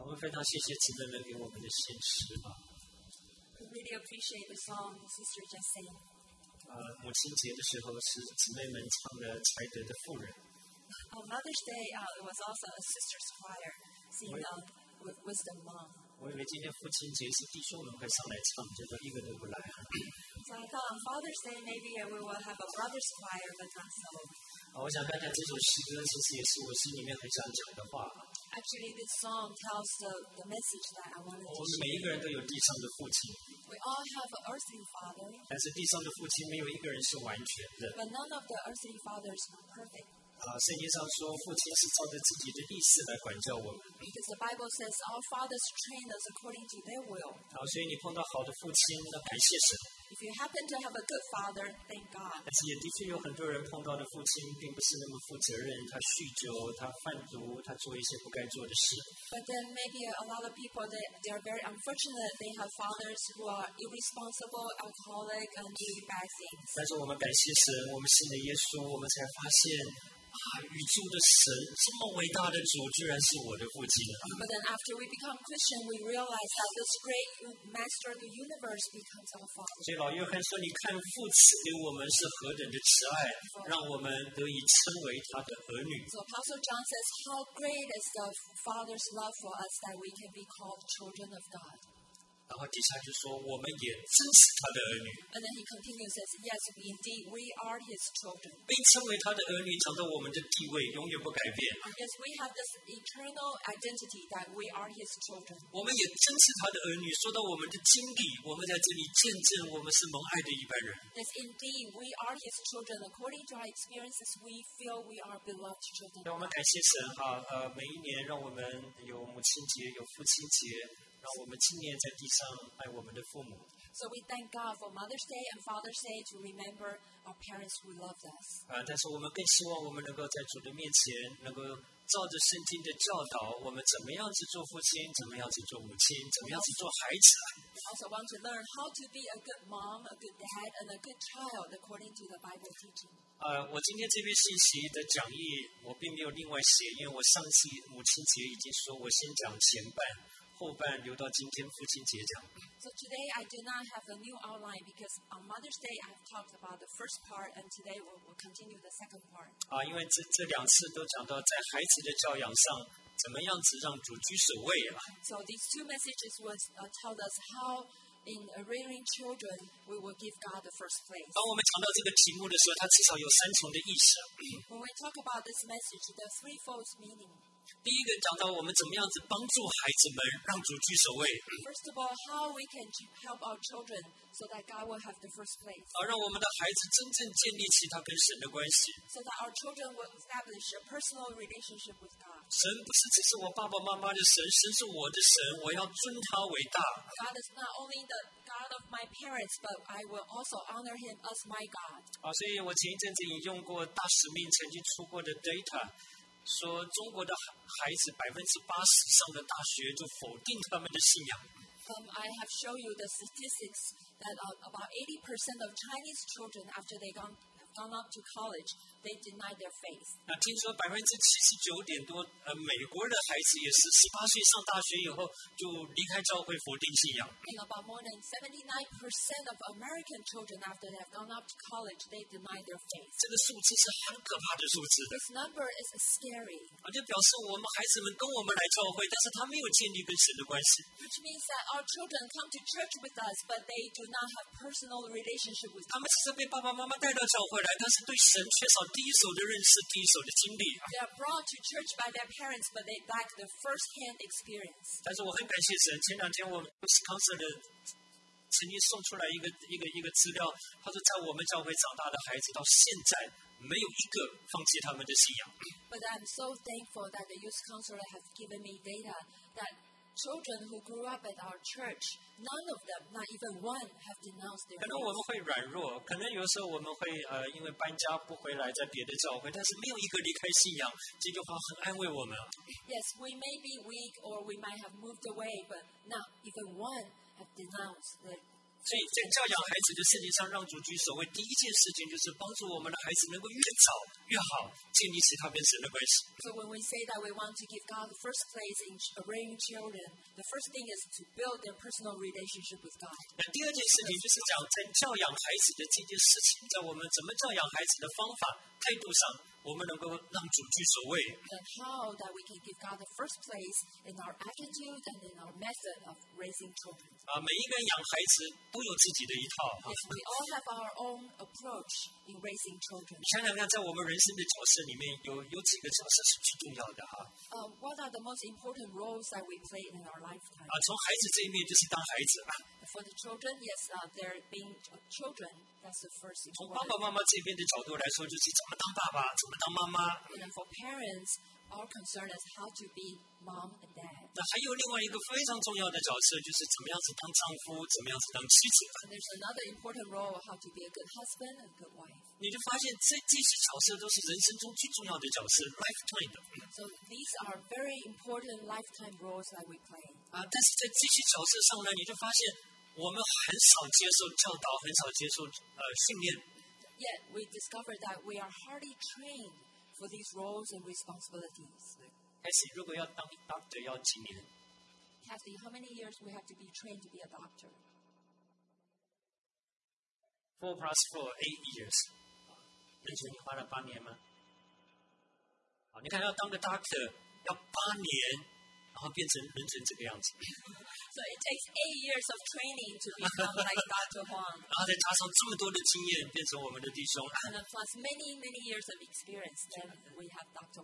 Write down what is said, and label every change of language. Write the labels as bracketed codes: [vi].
[zh] 非常谢谢姊妹们给我们的献诗吧。 [en] We really appreciate the song the sister just sang. [zh] 母亲节的时候是姊妹们唱的《才德的妇人》。 [en] On Mother's Day, it was also a sister's choir singing of Wisdom Mom. [zh] 我以为今天父亲节是弟兄们会上来唱，结果一个都不来。 [en] So I thought on Father's Day maybe we will have a brother's choir, but not so. [zh] 我想大家这首诗歌其实也是我心里面很想讲的话。 [en] Actually, this song tells the message that I wanted to share. [zh] 我们每一个人都有地上的父亲。 [en] We all have an earthly father. [zh] 但是地上的父亲没有一个人是完全的。 [en] But none of the earthly fathers are perfect. [zh] 圣经上说，父亲是照着自己的意思来管教我们。 [en] Because the Bible says our fathers train us according to their will. [zh] 所以你碰到好的父亲，要感谢神。 [en] If you happen to have a good father, thank God. [zh] 但是也的确有很多人碰到的父亲并不是那么负责任，他酗酒，他贩毒，他做一些不该做的事。 [en] But then maybe a lot of people they are very unfortunate. They have fathers who are irresponsible, alcoholic, and do bad things. [zh] 但是我们感谢神，我们信了耶稣，我们才发现。宇宙的神，这么伟大的主，居然是我的父亲。 [en] But then after we become Christian, we realize that this great master of the universe becomes our father. [zh] 所以老约翰说：“你看父赐给我们是何等的慈爱，让我们得以称为他的儿女。” [en] So Apostle John says, "How great is the Father's love for us that we can be called children of God?" [zh] 然后底下就说：“我们也真是他的儿女。” [en] And then he continues says, "Yes, indeed, we are his children." [zh] 被称为他的儿女，讲到我们的地位永远不改变。 [en] Yes, we have this eternal identity that we are his children. [zh] 我们也真是他的儿女，说到我们的经历，我们在这里见证我们是蒙爱的一般人。 [en] Yes, indeed, we are his children. According to our experiences, we feel we are beloved children. [zh] 让我们感谢神哈，每一年让我们有母亲节，有父亲节。让我们今年在地上爱我们的父母。 [en] So we thank God for Mother's Day and Father's Day to remember our parents who loved us. [zh] 但是我们更希望我们能够在主的面前，能够照着圣经的教导，我们怎么样子做父亲，怎么样子做母亲，怎么样子做孩子。 [en] We also want to learn how to be a good mom, a good dad, and a good child according to the Bible teaching. [zh] 我今天这篇信息的讲义我并没有另外写，因为我上次母亲节已经说我先讲前半。后半留到今天父亲节讲。 [en] So today I do not have a new outline because on Mother's Day I've talked about the first part and today we'll continue the second part. [zh] 因为这两次都讲到在孩子的教养上，怎么样子让主居首位啊。 [en] So these two messages was told us how in rearing children we will give God the first place. [zh] 当我们讲到这个题目的时候，它至少有三重的意思。 [en] When we talk about this message, there are threefold meaning. [zh] 第一个讲到我们怎么样子帮助孩子们让主居首位。 [en] First of all, how we can help our children so that God will have the first place. [zh] 让我们的孩子真正建立起他跟神的关系。 [en] So that our children will establish a personal relationship with God. [zh] 神不是只是我爸爸妈妈的神，神是我的神，我要尊他为大。 [en] God is not only the God of my parents, but I will also honor him as my God. [zh] 所以我前一阵子引用过大使命曾经出过的 data。说中国的孩子80%上的大学就否定他们的信仰。 [en] I have shown you the statistics that about 80% of Chinese children after they gone up to college, they deny their faith. [zh] 那听说79%+美国的孩子也是18岁上大学以后就离开教会否定信仰。 [en] And about more than 79% of American children after they have gone up to college, they deny their faith. [zh] 这个数字是很可怕的数字。 [en] This number is scary. [zh] 就表示我们孩子们跟我们来教会，但是他没有建立跟神的关系。 [en] Which means that our children come to church with us, but they do not have personal relationship with us. [zh] 他们只是被爸爸妈妈带到教会。回来，但是对神缺少第一手的认识，第一手的经历。 [en] They are brought to church by their parents, but they lack the first-hand experience. [zh] 但是我很感谢神，前两天我们 Wisconsin 的曾经送出来一个资料，他说在我们教会长大的孩子到现在没有一个放弃他们的信仰。 [en] But I'm so thankful that the youth counselor has given me data that. Children who grew up at our church, none of them, not even one, have denounced their faith. [zh] 可能我们会软弱，可能有时候我们会因为搬家不回来，在别的教会，但是没有一个离开信仰。这句话很安慰我们。 [en] Yes, we may be weak, or we might have moved away, but not even one have denounced their [zh] 所以在教养孩子的事情上，让主居首位，第一件事情就是帮助我们的孩子能够越早越好建立起他跟神的关系。 [en] So when we say that we want to give God the first place in raising children, the first thing is to build their personal relationship with God. [zh] 那第二件事情就是讲在教养孩子的这件事情，在我们怎么教养孩子的方法、态度上，我们能够让主居首位。 [en] And how that we can give God the first place in our attitude and in our method of raising children. [zh] 啊，每一个人养孩子都有自己的一套。 [en] We all have our own approach in raising children. [zh] 想想看，在我们人生的角色里面，有几个角色是最重要的哈？ [en] What are the most important roles that we play in our lifetime? [zh] 啊，从孩子这一面就是当孩子。 [en] For the children, yes, they're being children. That's the first thing. [zh] 从爸爸妈妈这边的角度来说，就是怎么当爸爸，怎么当妈妈。 [en] And for parents, our concern is how to be mom and dad. [zh] 那还有另外一个非常重要的角色，就是怎么样子当丈夫，怎么样子当妻子。 [en] And there's another important role: how to be a good husband and a good wife. [zh] 你就发现这些角色都是人生中最重要的角色 ，lifetime 的。 [en] So these are very important lifetime roles that we play. [zh] 但是在这些角色上呢，你就发现。我们很少接受教导，很少接受训练。 [en] Yet we discover that we are hardly trained for these roles and responsibilities. [zh] Cathy, 如果要当 doctor 要几年 [en] ？Cathy, how many years we have to be trained to be a doctor? 4+4, 8 years. [zh] 那就你花了八年吗？好，你看要当个 doctor 要八年。然后变成人成这个样子。 [en] So it takes 8 years of training to become like Dr. Huang. [zh] 然后再加上这么多的经验，变成我们的弟兄。 [en] And plus many many years of experience, then we have Dr.